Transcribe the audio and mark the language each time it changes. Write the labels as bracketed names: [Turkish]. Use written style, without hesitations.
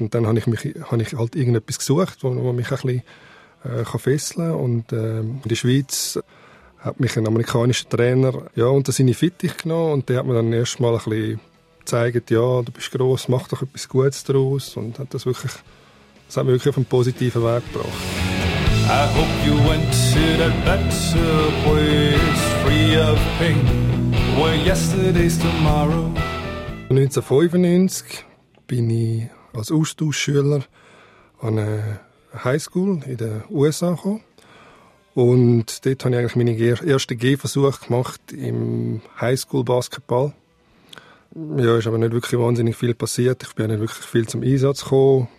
[German] Und dann habe ich halt irgendetwas gesucht, wo mich ein bisschen fesseln kann. Und in der Schweiz hat mich ein amerikanischer Trainer ja, unter seine Fittich genommen und der hat mir dann erst mal ein bisschen gezeigt, ja, du bist gross, mach doch etwas Gutes daraus und hat das hat mich wirklich auf einen positiven Weg gebracht. [English] I hope you went to that better place, free of pain, where yesterday's tomorrow. [German] 1995 bin ich als Austauschschüler an eine Highschool in den USA gekommen. Und dort habe ich eigentlich meinen ersten Gehversuch gemacht im Highschool-Basketball. Ja, ist aber nicht wirklich wahnsinnig viel passiert. Ich bin nicht wirklich viel zum Einsatz gekommen.